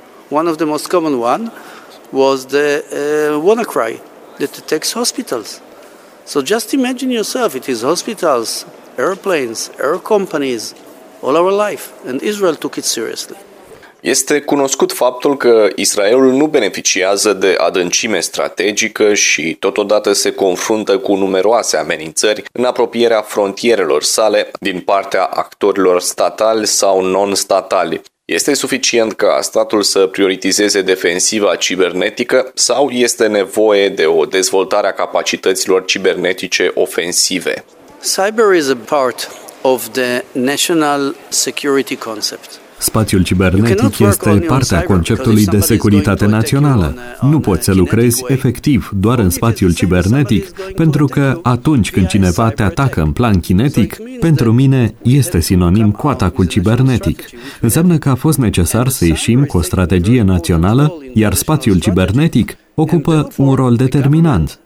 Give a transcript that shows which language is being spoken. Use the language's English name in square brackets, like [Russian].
[English] One of the most common one was the WannaCry that attacks hospitals. So just imagine yourself, it is hospitals, airplanes, air companies, all our life, and Israel took it seriously. [Romanian] Este cunoscut faptul că Israelul nu beneficiază de adâncime strategică și totodată se confruntă cu numeroase amenințări în apropierea frontierelor sale din partea actorilor statali sau non-statali. Este suficient ca statul să prioritizeze defensiva cibernetică sau este nevoie de o dezvoltare a capacităților cibernetice ofensive? [English] Cyber is a part of the national security concept. [Romanian] Spațiul cibernetic este partea conceptului de securitate națională. Nu poți să lucrezi efectiv doar în spațiul cibernetic, pentru că atunci când cineva te atacă în plan kinetic, pentru mine este sinonim cu atacul cibernetic. Înseamnă că a fost necesar să ieșim cu o strategie națională, iar spațiul cibernetic ocupă un rol determinant.